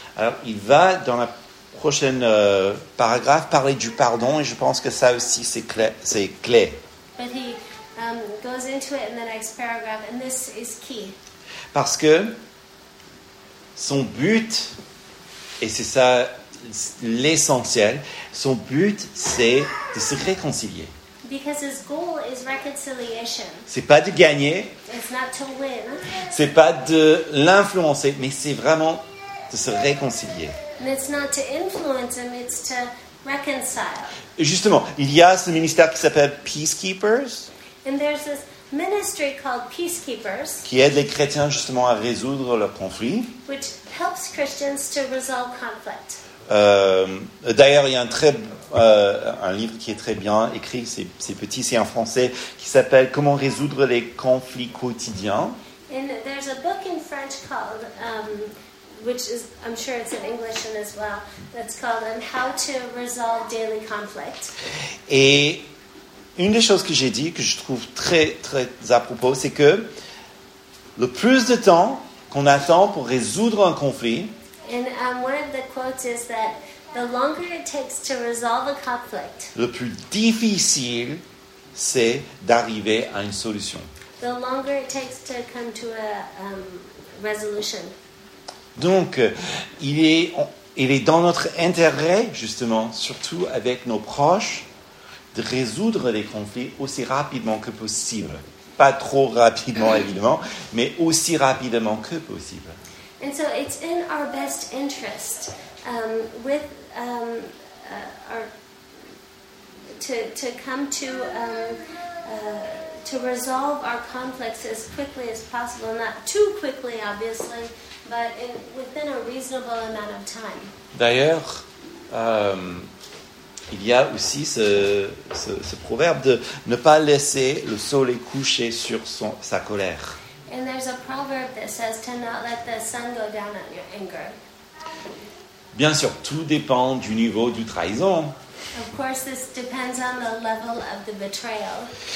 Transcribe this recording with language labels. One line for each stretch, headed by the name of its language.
French: Alors, il va dans la prochaine paragraphe parler du pardon, et je pense que ça aussi c'est clé.
English: But he goes into it in the next paragraph, and this is key.
French: Parce que son but, et c'est ça l'essentiel, son but c'est de se réconcilier.
English: Because his goal is reconciliation.
French: C'est pas de gagner.
English: It's not to win.
French: C'est pas de l'influencer, mais c'est vraiment de se réconcilier.
English: And it's not to influence him, it's to reconcile.
French: Justement, il y a ce ministère qui s'appelle Peacekeepers.
English: And there's this ministry called Peacekeepers.
French: Qui aide les chrétiens justement à résoudre leurs conflits.
English: Which helps Christians to resolve conflict.
French: D'ailleurs, il y a un livre qui est très bien écrit, c'est petit, c'est en français, qui s'appelle « Comment résoudre les conflits quotidiens ».
English: And there's a book in French called, which is, I'm sure it's in English as well, that's called How to Resolve Daily Conflict.
French: Et une des choses que j'ai dit, que je trouve très, très à propos, c'est que le plus de temps qu'on attend pour résoudre un conflit,
English: and one of the quotes is that the longer it takes to resolve a conflict,
French: le plus difficile c'est d'arriver à une solution.
English: The longer it takes to come to a resolution.
French: Donc, il est dans notre intérêt justement, surtout avec nos proches, de résoudre les conflits aussi rapidement que possible. Pas trop rapidement évidemment, mais aussi rapidement que possible.
English: And so it's in our best interest with our to come to resolve our conflicts as quickly as possible, not too quickly obviously, but within a reasonable amount of time.
French: D'ailleurs, il y a aussi ce proverbe de ne pas laisser le soleil coucher sur sa colère.
English: And there's a proverb that says to not let the sun go down on your anger.
French: Bien sûr, tout dépend du niveau du trahison.
English: Of course, this depends on the level of the betrayal.